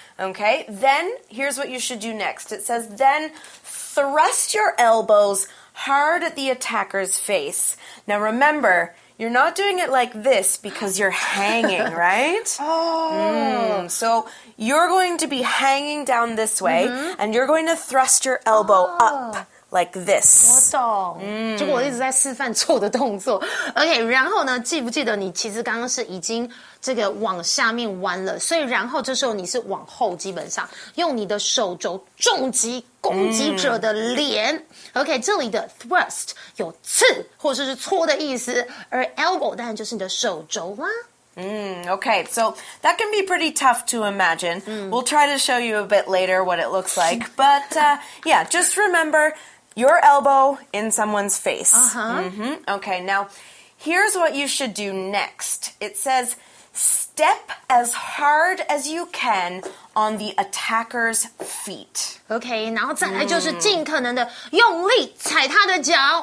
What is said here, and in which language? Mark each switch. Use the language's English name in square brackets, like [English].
[English] Okay, then here's what you should do next. It says then thrust your elbows hard at the attacker's face. Now remember. You're not doing it like this because you're hanging, right? So you're going to be hanging down this way, and you're going to thrust your elbow up like this. [Chinese] 我懂，就我一直在示范错的动作。OK, 然后呢，记不记得你其实刚刚是已经这个往下面弯了，所以然后这时候你是往后，基本上用你的手肘重击攻击者的脸。 OK, 这里的 thrust 有刺或者是戳的意思，而 elbow 当然就是你的手肘啦。 [English] Okay, so that can be pretty tough to imagine. Mm. We'll try to show you a bit later what it looks like. But yeah, just remember your elbow in someone's face. Okay, now here's what you should do next. It says, step as hard as you can on the attacker's feet. [Chinese] Okay, 然后再来就是尽可能的用力踩他的脚。